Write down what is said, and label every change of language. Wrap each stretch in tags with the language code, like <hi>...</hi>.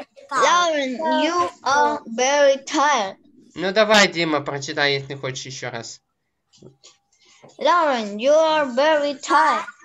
<en>Lauren, you are very tired.</en> <ru>Ну давай, Дима, прочитай, если хочешь еще раз.</ru> <en>Lauren, you are very tired.</en>